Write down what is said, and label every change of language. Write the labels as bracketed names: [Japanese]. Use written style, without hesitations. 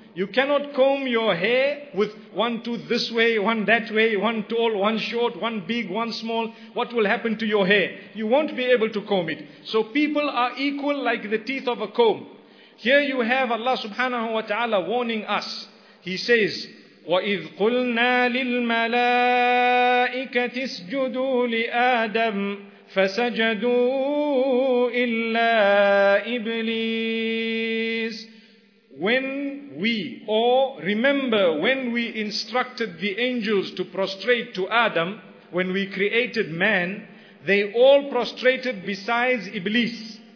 [English] You cannot comb your hair with one tooth this way, one that way, one tall, one short, one big, one small. What will happen to your hair? You won't be able to comb it. So people are equal like the teeth of a comb. Here you have Allah subhanahu wa ta'ala warning us. He says, [Arabic] وَإِذْ قُلْنَا لِلْمَلَائِكَةِ اسْجُدُوا لِآدَمِ فَسَجَدُوا إِلَّا إِبْلِيسِ. [English] When we, or remember when we instructed the angels to prostrate to Adam, when we created man, they all prostrated besides Iblis.